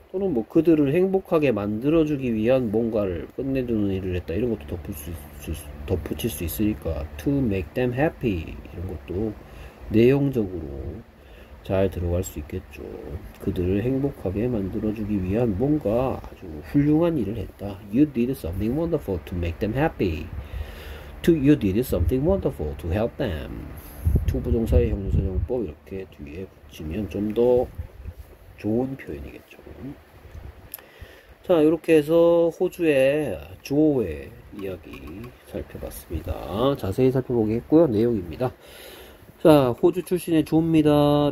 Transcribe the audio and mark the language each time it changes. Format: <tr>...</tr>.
<ko>또는 뭐 그들을 행복하게 만들어주기 위한 뭔가를 끝내주는 일을 했다 이런 것도 덧붙일 수 있으니까</ko> <en>to make them happy</en> <ko>이런 것도 내용적으로 잘 들어갈 수 있겠죠. 그들을 행복하게 만들어주기 위한 뭔가 아주 훌륭한 일을 했다.</ko> <en>You did something wonderful to make them happy. You did something wonderful to help them.</en> <ko>to 부정사의 형용사용법 이렇게 뒤에 붙이면 좀더 좋은 표현이겠죠. 자, 이렇게 해서 호주의 조어의 이야기 살펴봤습니다. 자세히 살펴보겠고요. 내용입니다. 자, 호주 출신의 조입니다.</ko>